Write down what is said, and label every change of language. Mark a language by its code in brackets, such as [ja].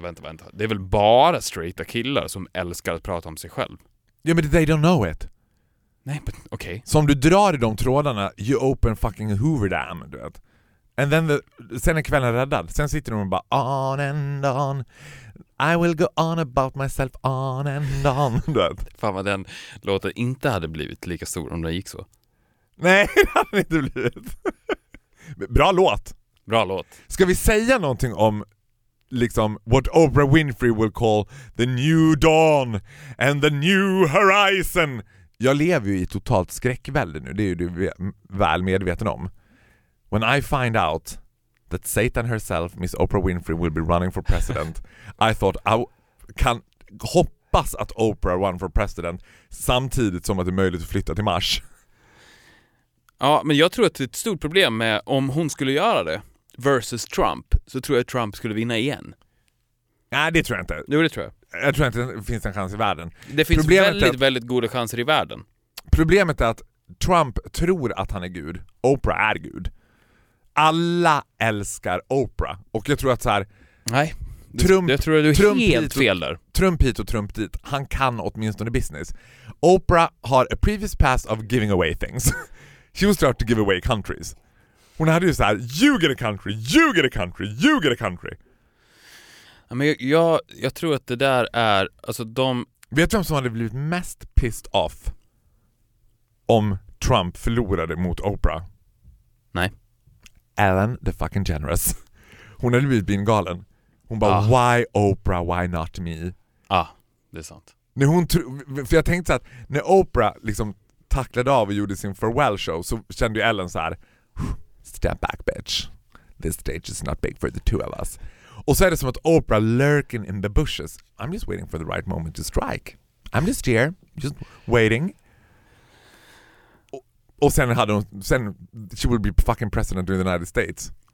[sv] Vänta. Det är väl bara straighta killar som älskar att prata om sig själv? Ja, men [en] they don't know it. [sv] Nej, men okej. Okay. Så om du drar i de trådarna, [en] you open fucking Hoover Dam, [sv] du vet. [en] And then [sv] sen är kvällen räddad. Sen sitter de och bara, [en] on and on. I will go on about myself on and on. [sv] Fan vad den låten inte hade blivit lika stor om den gick så. Nej, det hade inte blivit. Bra låt. Bra låt. Ska vi säga någonting om liksom [en] what Oprah Winfrey will call the new dawn and the new horizon? [sv] Jag lever ju i totalt skräckvälde nu. Det är ju du väl medveten om. [en] When I find out that Satan herself, Miss Oprah Winfrey, will be running for president. I thought, [sv] kan hoppas att Oprah [en] run for president [sv] samtidigt som att det är möjligt att flytta till Mars. Ja, men jag tror att det är ett stort problem med om hon skulle göra det versus Trump, så tror jag att Trump skulle vinna igen. Nej, det tror jag inte. Jo, det tror jag. Jag tror inte det finns en chans i världen. Det finns problemet väldigt, att, väldigt goda chanser i världen. Problemet är att Trump tror att han är Gud. Oprah är Gud. Alla älskar Oprah. Och jag tror att så här... Nej, Trump, jag tror att du är Trump helt fel där. Trump hit och Trump dit. Han kan åtminstone business. [en] Oprah har a previous past of giving away things. She was starting to give away countries. [sv] Hon hade ju så här, [en] you get a country, you get a country, you get a country. [sv] Men jag tror att det där är... Alltså de... Vet du vem som hade blivit mest pissed off om Trump förlorade mot Oprah? Nej. [en] Ellen the fucking generous. [sv] Hon hade blivit bin galen. Hon bara, [en] why Oprah, why not me? [sv] Ah, det är sant. När hon för jag tänkte så att när Oprah liksom tacklade av och gjorde sin farewell show, så kände ju Ellen så här, [en] step back bitch. This stage is not big for the two of us. [sv] Och så är det som att Oprah [en] lurking in the bushes. I'm just waiting for the right moment to strike. I'm just here, just waiting. [sv] Och sen hade hon, sen [en] she would be fucking president of the United States.